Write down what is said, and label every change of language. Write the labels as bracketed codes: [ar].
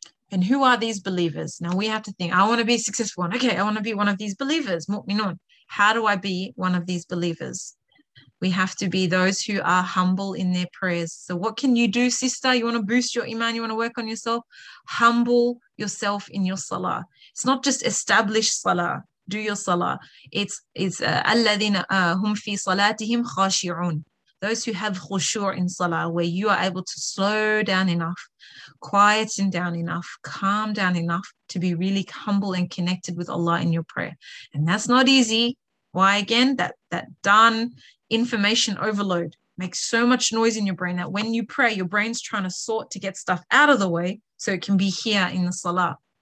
[en] And who are these believers? Now we have to think, I want to be successful. Okay, I want to be one of these believers. [ar] مُؤْمِنُونَ. [en] How do I be one of these believers? We have to be those who are humble in their prayers. So what can you do, sister? You want to boost your iman? You want to work on yourself? Humble yourself in your salah. It's not just establish salah. Do your salah. It's [ar] الَّذِينَ هُمْ فِي صَلَاتِهِمْ خَاشِعُونَ. [en] Those who have khushu' in salah, where you are able to slow down enough, quieten down enough, calm down enough to be really humble and connected with Allah in your prayer. And that's not easy. Why again? That darn information overload makes so much noise in your brain that when you pray, your brain's trying to sort to get stuff out of the way so it can be here in the salah.